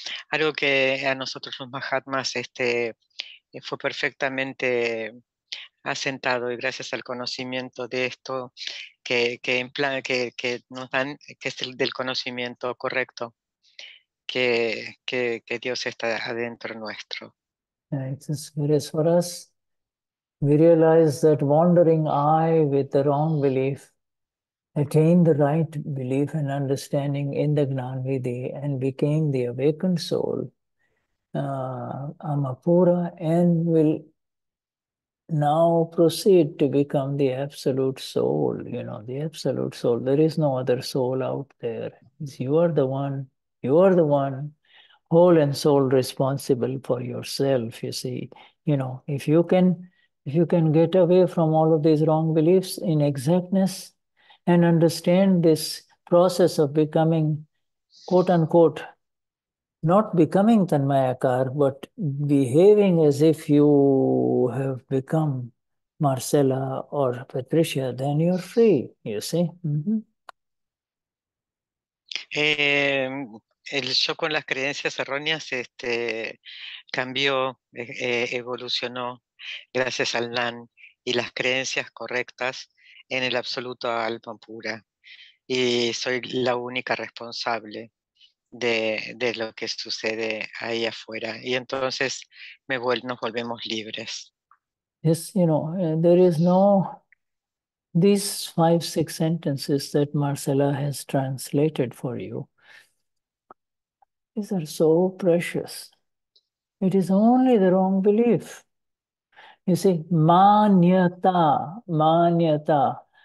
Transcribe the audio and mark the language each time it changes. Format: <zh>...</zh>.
<es>Algo que a nosotros los Mahatmas, fue perfectamente asentado y gracias al conocimiento de esto que nos dan, que es del conocimiento correcto, que Dios está adentro nuestro.</es> <en>Whereas for us, we realize that wandering I with the wrong belief attained the right belief and understanding in the Gnanvidhi and became the awakened soul. Amapura and will now proceed to become the absolute soul, you know, the absolute soul. There is no other soul out there. It's you are the one, whole and soul responsible for yourself, you see. You know, if you can get away from all of these wrong beliefs in exactness and understand this process of becoming, quote unquote, not becoming Tanmayakar, but behaving as if you have become Marcella or Patricia, then you're free, you see.</en> <es>El yo con las creencias erróneas cambió, evolucionó gracias al NAN y las creencias correctas en el absoluto alma pura. Y soy la única responsable de lo que sucede ahí afuera y entonces nos volvemos libres.</es> <en>Yes, you know, there is no, these 5-6 sentences that Marcela has translated for you, these are so precious. It is only the wrong belief. You see, manyata, manyata.</en>